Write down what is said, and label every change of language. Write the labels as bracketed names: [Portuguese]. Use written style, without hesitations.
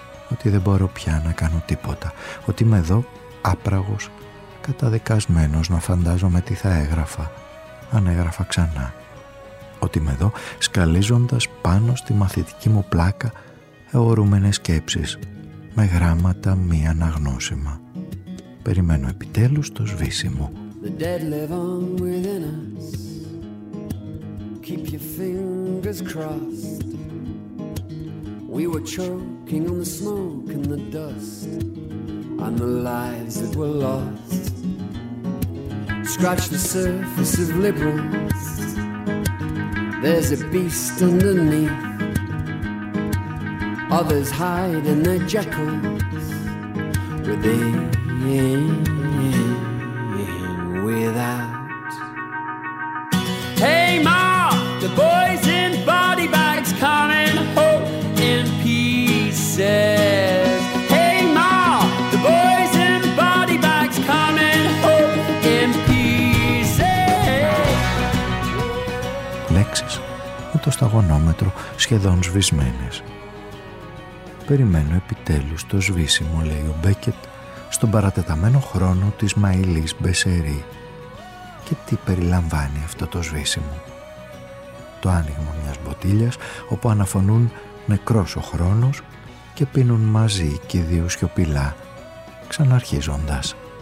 [Greek] Ότι δεν μπορώ πια να κάνω τίποτα. Ότι είμαι εδώ άπραγος, καταδικασμένος να φαντάζομαι τι θα έγραφα, αν έγραφα ξανά. Ότι είμαι εδώ σκαλίζοντας πάνω στη μαθητική μου πλάκα αιωρούμενες σκέψεις με γράμματα μη αναγνώσιμα. Περιμένω επιτέλους το σβήσιμο. [English] The dead live on within us. Keep your fingers crossed. We were choking on the smoke and the dust and the lives that were lost. Scratch the surface of liberals. There's a beast underneath. Others hide in their jackals within, without. Hey Ma, the boys in body bags coming home in pieces. Hey Ma, the boys in body bags coming home in pieces. Lexus. [Greek] Το σταγονόμετρο σχεδόν σβησμένες. Περιμένω επιτέλους το σβήσιμο, λέει ο Μπέκετ, στον παρατεταμένο χρόνο της Μαϊλής Μπεσερή. Και τι περιλαμβάνει αυτό το σβήσιμο? Το άνοιγμα μιας μποτήλιας όπου αναφωνούν νεκρός ο χρόνος και πίνουν μαζί και δύο σιωπηλά, ξαναρχίζοντας.